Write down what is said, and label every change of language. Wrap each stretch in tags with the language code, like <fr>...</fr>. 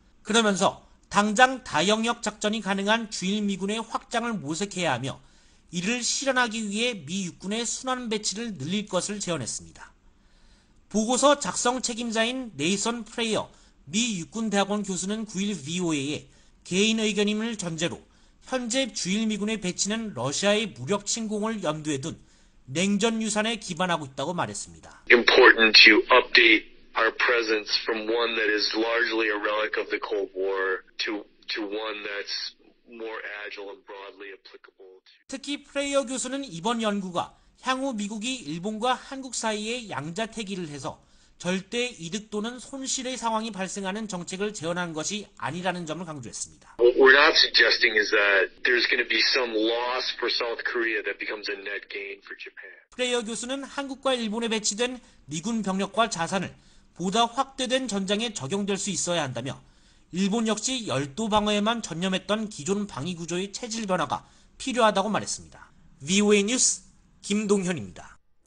<ko>그러면서 당장 다영역 작전이 가능한 주일 미군의 확장을 모색해야 하며 이를 실현하기 위해 미 육군의 순환 배치를 늘릴 것을 제언했습니다. 보고서 작성 책임자인 네이선 프레이어 미 육군대학원 교수는 9일 VOA에 개인 의견임을 전제로 현재 주일 미군의 배치는 러시아의 무력 침공을 염두에 둔 냉전 유산에 기반하고 있다고 말했습니다.</ko> <en>Important to update our presence from one that is largely a relic of the Cold War to one that's more agile and broadly applicable.</en> <ko>특히 프레이어 교수는 이번 연구가 향후 미국이 일본과 한국 사이에 양자택일을 해서 절대 이득 또는 손실의 상황이 발생하는 정책을 재현한 것이 아니라는 점을 강조했습니다.</ko> <en>What we're not suggesting is that there's going to be some loss for South Korea that becomes a net gain for Japan.</en> <ko>프레이어 교수는 한국과 일본에 배치된 미군 병력과 자산을 보다 확대된 전장에 적용될 수 있어야 한다며 일본 역시 열도 방어에만 전념했던 기존 방위 구조의 체질 변화가 필요하다고 말했습니다. VOA 뉴스 김동현입니다.</ko>